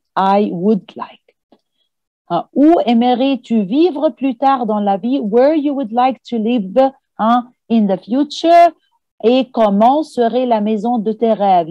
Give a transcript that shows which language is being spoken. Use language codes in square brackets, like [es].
[fr] Où aimerais-tu vivre plus tard dans la vie? [en] Where you would like to live in the future? [fr] Et comment serait la maison de tes rêves?